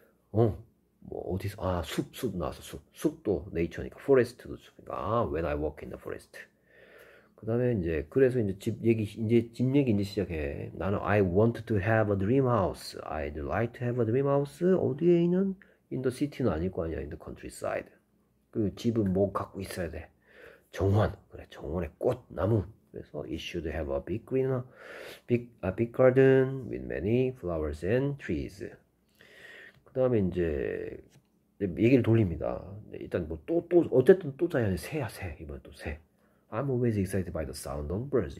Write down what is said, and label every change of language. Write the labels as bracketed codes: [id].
[ko] 뭐 어디서 아숲 나왔어. 숲도 네이처니까 포레스트도 숲이니까 아 [en] when I walk in the forest. [ko] 그다음에 이제 그래서 이제 집 얘기 이제 시작해. [en] 나는 I want to have a dream house. I'd like to have a dream house. [ko] 어디에 있는? [en] In the city는 [ko] 아닐 거 아니야. [en] In the countryside. [ko] 그 집은 뭐 갖고 있어야 돼? 정원. 그래, 정원의 꽃, 나무. [en] 그래서, it should have a big green, a big garden with many flowers and trees. [ko] 그 다음에 이제, 얘기를 돌립니다. 일단 뭐 어쨌든 또 자연이 새야, 새. 이번엔 또 새. [en] I'm always excited by the sound of birds.